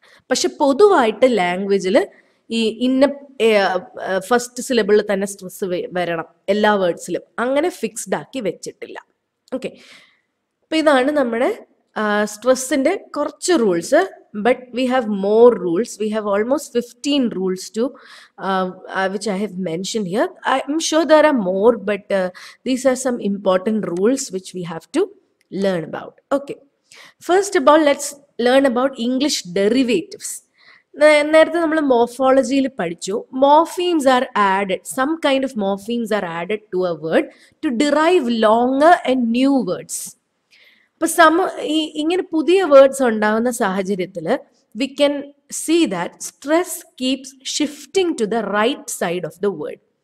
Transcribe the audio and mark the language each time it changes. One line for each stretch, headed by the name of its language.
Malayalam: പക്ഷെ പൊതുവായിട്ട് ലാംഗ്വേജിൽ ഈ ഇന്ന ഫസ്റ്റ് സിലബിളിൽ തന്നെ സ്ട്രെസ് വരണം എല്ലാ വേർഡ്സിലും, അങ്ങനെ ഫിക്സ്ഡ് ആക്കി വെച്ചിട്ടില്ല. ഓക്കെ, അപ്പോൾ ഇതാണ് നമ്മുടെ സ്ട്രെസ്സിൻ്റെ കുറച്ച് rules.
English: But we have more rules. We have almost 15 rules to which I have mentioned here. I'm sure there are more, but these are some important rules which we have to learn about. Okay, first of all, let's learn about English derivatives.
Malayalam: നേരത്തെ നമ്മൾ മോർഫോളജിയിൽ പഠിച്ചു,
English: Morphemes are added, some kind of morphemes are added to a word to derive longer and new words.
Malayalam: അപ്പോൾ ഇങ്ങനെ പുതിയ words ഉണ്ടാകുന്ന സാഹചര്യത്തിൽ
English: We can see that stress keeps shifting to the right side of the word.